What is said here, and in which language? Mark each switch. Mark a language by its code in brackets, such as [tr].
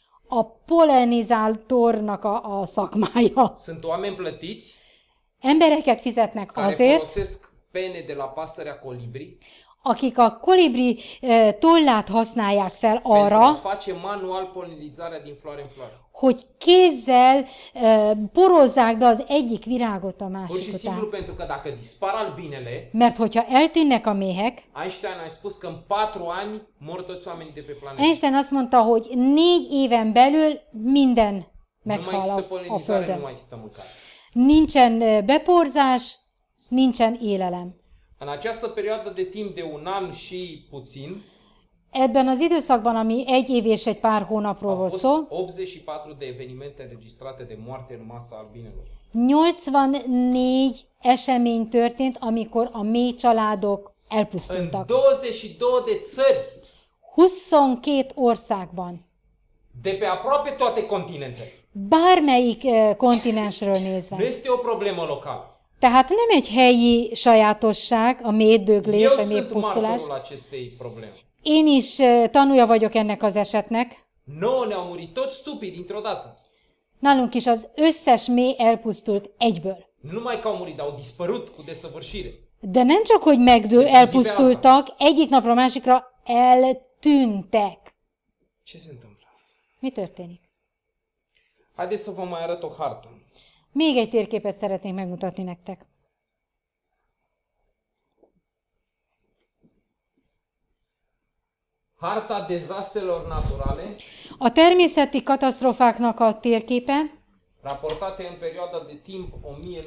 [hu] A polenizátornak a szakmája. [ro] Sunt oameni plătiți. [hu] Embereket fizetnek azért, [ro] pene de la pasărea colibri, [hu] akik a kolibri tollát használják fel arra, [ro] face manual polinizarea din floare în floare. [hu] Hogy kézzel porozzák be az egyik virágot a másik [ro] pur și [hu] után. [ro] Simplu pentru că dacă dispar albinele, [hu] mert hogyha eltűnnek a méhek, [ro] Einstein a spus că în 4 ani mor toți oamenii de pe planetă. [hu] Einstein azt mondta, hogy 4 éven belül minden meghal a földön. Nincsen beporzás, nincsen élelem. [ro] În această perioadă de timp de un an și puțin, [hu] ebben az időszakban, ami egy év és egy pár hónapról volt szó, [ro] 84 de evenimente înregistrate de moarte în masa albinelor. [hu] 84 esemény történt, amikor a mély családok elpusztultak. [ro] 22 de țări. [hu] 22 országban. [ro] De pe aproape toate continentele. [hu] Bármelyik kontinensről nézve. [ro] Nu este o problemă locală. [hu] Tehát nem egy helyi sajátosság, a méhdöglés, a méhpusztulás. Én is tanúja vagyok ennek az esetnek. [ro] No, ne-au murit tot stupid, dintr-o dată. [hu] Nálunk is az összes méh elpusztult egyből. [ro] Numai că au murit, au dispărut cu desăvârșire. [hu] De nem csak, hogy elpusztultak, egyik napra a másikra eltűntek. [ro] Ce se întâmplă? [hu] Mi történik? [ro] Haideți să vă mai arăt o hartă. [hu] Még egy térképet szeretnék megmutatni nektek. [ro] Harta dezastrelor naturale. [hu] A természeti katasztrofáknak a térképe. [ro] Raportate în perioada de timp 1900-2009.